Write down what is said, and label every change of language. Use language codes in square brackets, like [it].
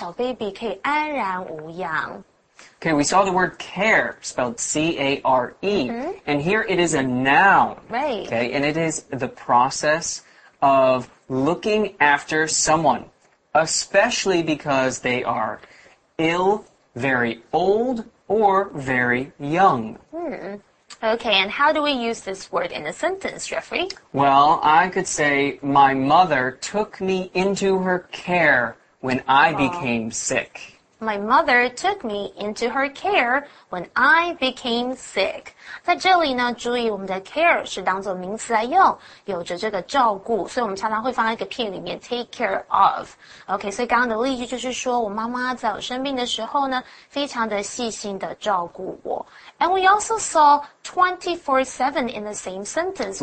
[zh] 所以在这里呢,好险好家在有这个饲养员,他24小时无时无刻的照顾一样,原仔,好确保这个小baby可以安然无恙。Okay, [en] we saw the word care, spelled C-A-R-E, and here it is a noun. Right. Okay, and it is the process of looking after someone, especially because they are ill, very old, or very young. Okay, and how do we use this word in a sentence, Jeffrey? Well, I could say, my mother took me into her care when I became sick. My mother took me into her care when I became sick. [zh] 在这里呢，注意我们的 care 是当作名词来用，有着这个照顾，所以我们常常会放在一个片语里面 take care of. OK, 所以刚刚的例句就是说我妈妈在我生病的时候呢，非常的细心的照顾我。 [en] And we also saw 24/7 in the same sentence.